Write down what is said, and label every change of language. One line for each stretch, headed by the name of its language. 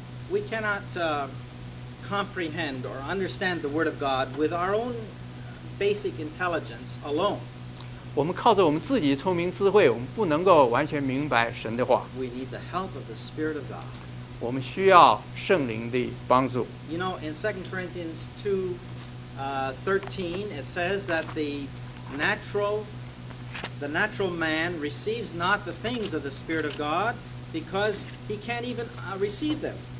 English: We cannot comprehend or understand the Word of God with our own basic intelligence alone.
Chinese: 我们靠着我们自己聪明智慧，我们不能够完全明白神的话。
English: We need the help of the Spirit of God.
Chinese: 我们需要圣灵的帮助。
English: You know, in 2 Corinthians 2:13, it says that the natural man receives not the things of the Spirit of God because he can't even receive them.